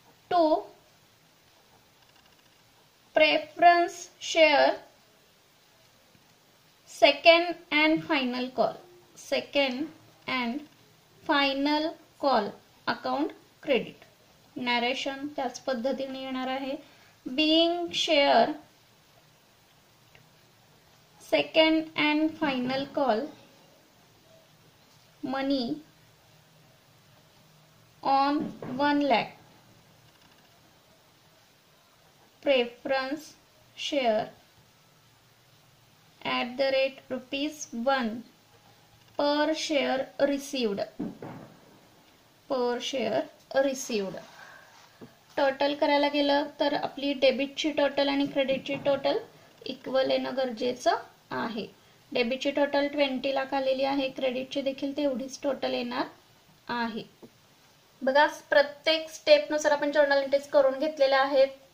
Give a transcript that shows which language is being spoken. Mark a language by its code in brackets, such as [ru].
[mr] 2 preference share second and final call, second and final call account credit narration त्याच पद्धतीने येणार आहे. [en] Being share second and final call money on 1 lakh preference share at the rate rupees 1 per share received, per share received. [mr] Total करायला गेलं तर आपली डेबिटची total आणि क्रेडिटची टोटल इक्वल येणं गरजेचं आहे. डेबिटची टोटल 20 लाख आलेली आहे, क्रेडिटची देखील तेवढीच टोटल येणार आहे. बघा प्रत्येक स्टेपनुसार आपण जर्नल एंट्रीज करून घेतलेल्या आहेत.